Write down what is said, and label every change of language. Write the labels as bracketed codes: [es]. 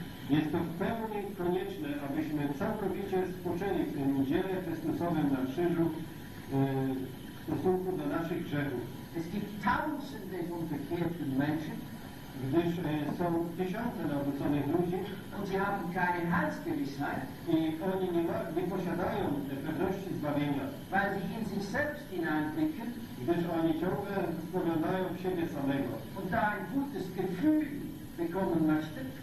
[pl] Jest to w pełni konieczne, abyśmy całkowicie spoczęli w tym dziele Chrystusowym na krzyżu w stosunku do naszych grzechów. [de] Es gibt tausende von bekehrten Menschen, [pl] gdyż są tysiące nawróconych ludzi [de] und sie haben keine Heilsgewissheit, [pl] i oni nie posiadają pewności zbawienia, [de] weil sie in sich selbst hineinblicken, [pl] gdyż oni ciągle spoglądają w siebie samego. [de] Und da ein gutes Gefühl bekommen möchte,